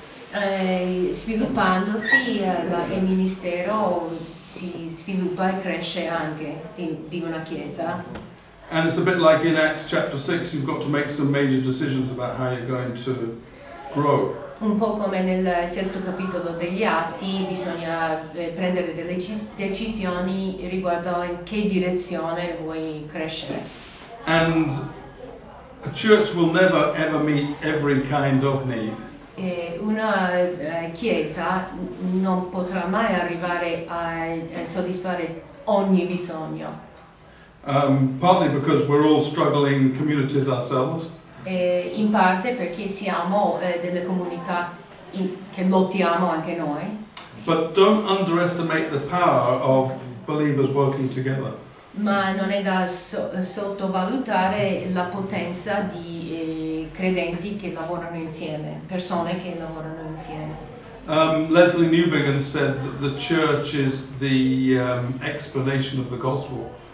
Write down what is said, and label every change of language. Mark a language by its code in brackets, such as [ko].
[it] Sviluppandosi il ministero si sviluppa e cresce anche di una chiesa. [en] And it's a bit like in Acts chapter 6, you've got to make some major decisions about how you're going to grow. [it] Un po' come nel sesto capitolo degli Atti, bisogna prendere delle decisioni riguardo in che direzione vuoi crescere. [en] And a church will never ever meet every kind of need. [it] E una chiesa non potrà mai arrivare a soddisfare ogni bisogno. [en] Partly because we're all struggling communities ourselves. [it] In parte perché siamo delle comunità che lottiamo anche noi. [en] But don't underestimate the power of believers working together. [it] Ma non è da sottovalutare la potenza di credenti che lavorano insieme, persone che lavorano insieme. [en] Leslie Newbegin said that the church is the explanation of the gospel.